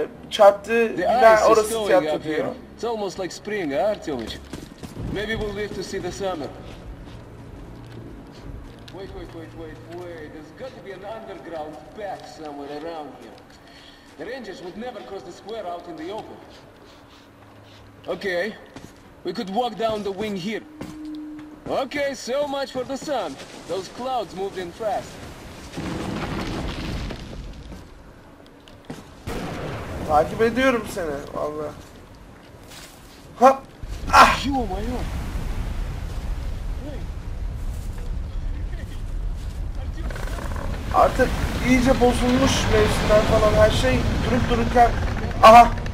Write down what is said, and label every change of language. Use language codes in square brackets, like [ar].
[tr] Çarptı, bina orası tiyatro diyor. [en] It's almost like spring, huh, Artyomich? Maybe we'll live to see the summer. Wait, wait, wait, wait, wait. There's got to be an underground path somewhere around here. The Rangers would never cross the square out in the open. Okay. We could walk down the wing here. Okay, so much for the sun. Those clouds moved in fast. [tr] Takip ediyorum seni, vallahi. Hop! Ah! Hey! Hey! Artık iyice bozulmuş mevsimler falan, her şey durup dururken... Aha!